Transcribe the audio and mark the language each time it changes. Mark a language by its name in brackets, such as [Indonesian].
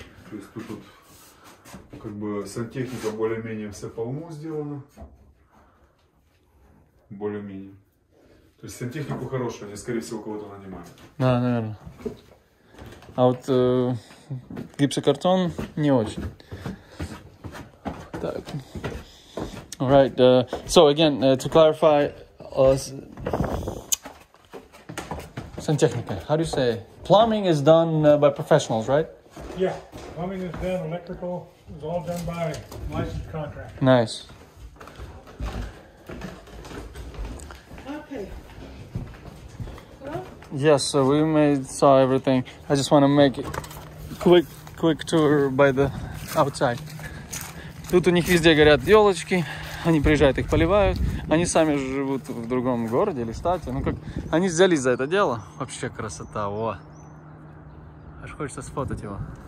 [Russian] То есть тут, тут как бы сантехника более-менее все по уму сделана. Более-менее. То есть сантехнику хорошую, они скорее всего кого-то нанимают. Да, наверное. А вот гипсокартон не очень. [English] All right. So again, to clarify, сантехника. How do you say? Plumbing is done by professionals, right? Yeah, plumbing is done. Electrical is all done by licensed contractor. Nice. Okay. Hello? Yes. So we made saw everything. I just want to make a quick tour by the outside. [Russian] Тут у них везде горят елочки, они приезжают, их поливают. Они сами живут в другом городе или штате. Ну как, они взялись за это дело. Вообще красота, во. Аж хочется сфотать его.